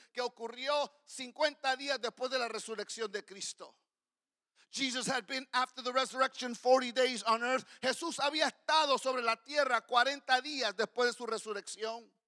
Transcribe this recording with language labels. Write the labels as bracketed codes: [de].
[es] Que ocurrió 50 días después de la resurrección de Cristo. [en] Jesus had been after the resurrection 40 days on earth. [es] Jesús había estado sobre la tierra 40 días después de su resurrección.